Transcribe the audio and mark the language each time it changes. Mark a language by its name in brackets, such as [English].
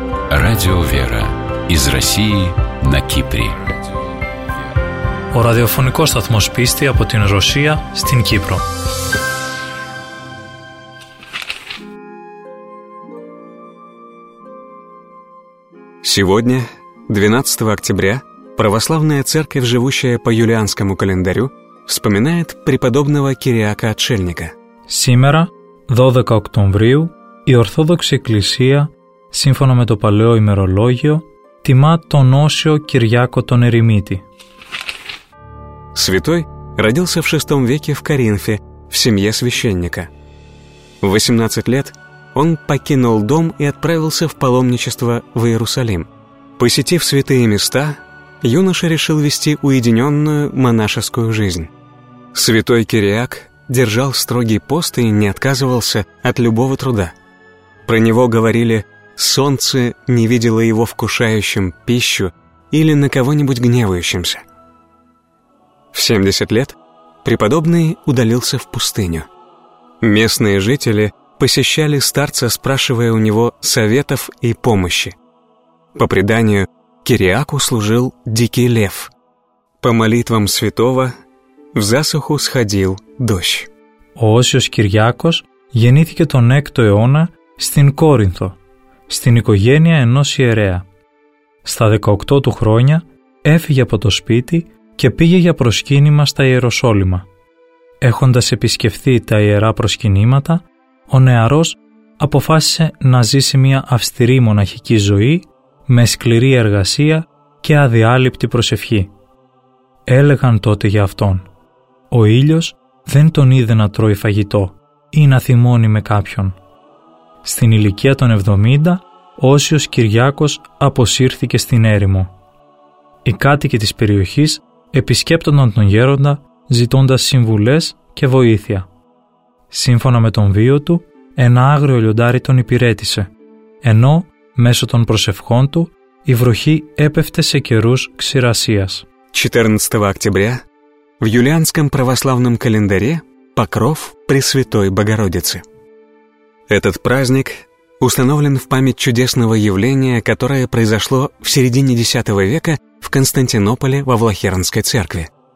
[Russian] Радио «Вера» из России на Кипре. [Greek] Ο ραδιοφωνικός σταθμός πίστη από την Ρωσία στην Κύπρο. [Russian] Сегодня, 12 октября, православная церковь, живущая по юлианскому календарю, вспоминает преподобного Кириака Отшельника. Сегодня, 12 октября, [Greek] η Ορθόδοξη Εκκλησία, σύμφωνα με το παλαιό ημερολόγιο, τιμά τον Όσιο Κυριάκο τον Ερημίτη. [Russian] Святой родился в VI веке в Коринфе, в семье священника. В 18 лет он покинул дом и отправился в паломничество в Иерусалим. Посетив святые места, юноша решил вести уединенную монашескую жизнь. Святой Кириак держал строгий пост и не отказывался от любого труда. Про него говорили: «Солнце не видело его вкушающим пищу или на кого-нибудь гневающимся». В 70 лет преподобный удалился в пустыню. Местные жители посещали старца, спрашивая у него советов и помощи. По преданию, Кириаку служил дикий лев. По молитвам святого в засуху сходил дождь. [Greek] Осиос Кириакос γεννήθηκε τον 6ο αιώνα στην Κόρινθο, στην οικογένεια ενός ιερέα. Στα 18 του χρόνια έφυγε από το σπίτι και πήγε για προσκύνημα στα Ιεροσόλυμα. Έχοντας επισκεφθεί τα ιερά προσκυνήματα, ο νεαρός αποφάσισε να ζήσει μια αυστηρή μοναχική ζωή με σκληρή εργασία και αδιάλειπτη προσευχή. Έλεγαν τότε για αυτόν: «Ο ήλιος δεν τον είδε να τρώει φαγητό ή να θυμώνει με κάποιον». Στην ηλικία των 70, Όσιος Κυριάκος αποσύρθηκε στην έρημο. Οι κάτοικοι της περιοχής επισκέπτονταν τον γέροντα ζητώντας συμβουλές και βοήθεια. Σύμφωνα με τον βίο του, ένα άγριο λιοντάρι τον υπηρέτησε, ενώ μέσω των προσευχών του η βροχή έπεφτε σε καιρούς ξηρασίας. 14 Οκτωβρίου, [Russian] в юлианском православном календаре Покров Пресвятой Богородицы. Этот праздник установлен в память чудесного явления, которое произошло в середине X века в Константинополе во Влахернской церкви.